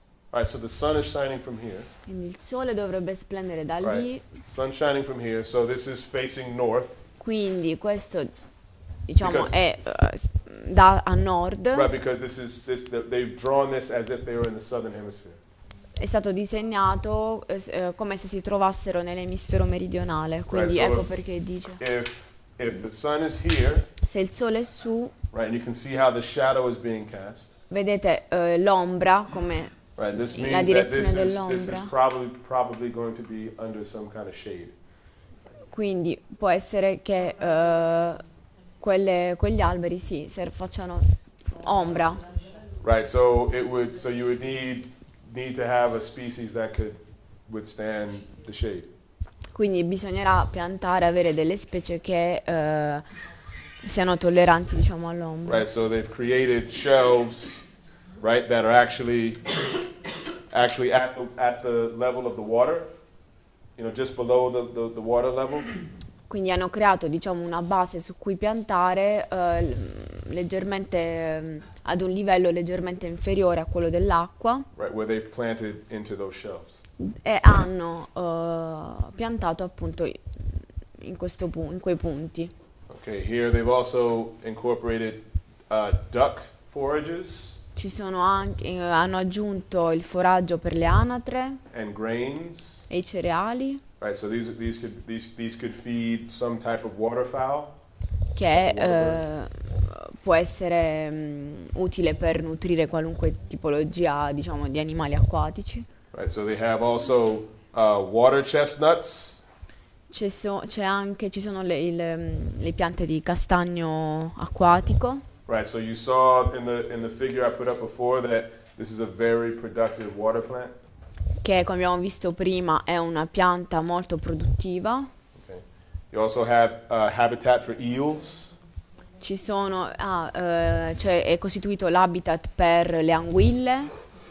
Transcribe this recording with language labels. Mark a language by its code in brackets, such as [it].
[en] All right, so the sun is shining from here. [it] Quindi il sole dovrebbe splendere da lì. [en] Right. Sun shining from here, so this is facing north. [it] Quindi questo, diciamo, è da a nord. [en] Right, because they've drawn this as if they were in the Southern Hemisphere. [it] È stato disegnato come se si trovassero nell'emisfero meridionale. Quindi [en] right, so [it] ecco perché dice. [en] If the sun is here, [it] se il sole è su, [en] right, and you can see how the shadow is being cast. [it] Vedete l'ombra come [en] right, this [it] la direzione dell'ombra. [en] This is probably going to be under some kind of shade. [it] Quindi può essere che quegli alberi sì, se facciano ombra. [en] Right, so it would, so you would need to have a species that could withstand the shade. [it] Quindi bisognerà piantare, avere delle specie che siano tolleranti, diciamo, all'ombra. [en] Right, so they've created shelves, right, that are actually at the level of the water, you know, just below the water level. [it] Quindi hanno creato, diciamo, una base su cui piantare leggermente ad un livello leggermente inferiore a quello dell'acqua. [en] Right, where they've planted into those shelves. [it] E hanno piantato appunto in quei punti. [en] Okay, here they've also incorporated duck forages. [it] Ci sono anche hanno aggiunto il foraggio per le anatre. [en] And grains. [it] E i cereali. [en] Right, so these could feed some type of waterfowl. [it] Che può essere utile per nutrire qualunque tipologia, diciamo, di animali acquatici. [en] Right, so they have also water chestnuts. [it] Ci sono le piante di castagno acquatico. [en] Right, so you saw in the figure I put up before that this is a very productive water plant. [it] Che, come abbiamo visto prima, è una pianta molto produttiva. [en] Okay. You also have habitat for eels. [it] Ci sono, cioè è costituito l'habitat per le anguille.